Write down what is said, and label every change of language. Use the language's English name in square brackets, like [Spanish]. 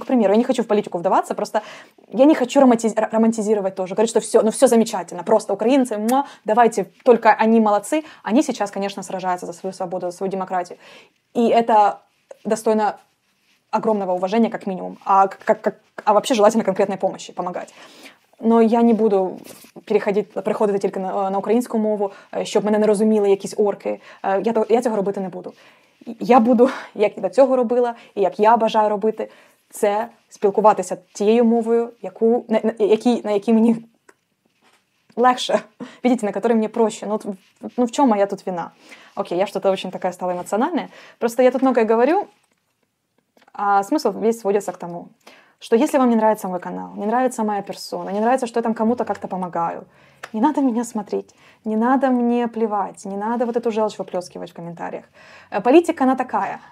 [Russian] Ну, к примеру, я не хочу в политику вдаваться, просто я не хочу романтизировать тоже. Говорить, что все, ну все замечательно, просто украинцы, но давайте, только они молодцы. Они сейчас, конечно, сражаются за свою свободу, за свою демократию. И это достойно огромного уважения, как минимум. А вообще желательно конкретной помощи помогать. [Ukrainian] Но я не буду переходити тільки на українську мову, щоб мене не розуміли якісь орки. Я цього робити не буду. Я буду, як і до цього робила, і як я бажаю робити, це спілкуватися тією мовою, на якій мені легше. [Russian] Видите, на которой мне проще. [Ukrainian] Ну в чому моя тут вина? [Russian] Окей, я что-то очень такая стала эмоциональная. Просто я тут многое говорю, а смысл весь сводится к тому, что если вам не нравится мой канал, не нравится моя персона, не нравится, что я там кому-то как-то помогаю, не надо меня смотреть, не надо мне плевать, не надо вот эту желчь выплескивать в комментариях. Политика, она такая.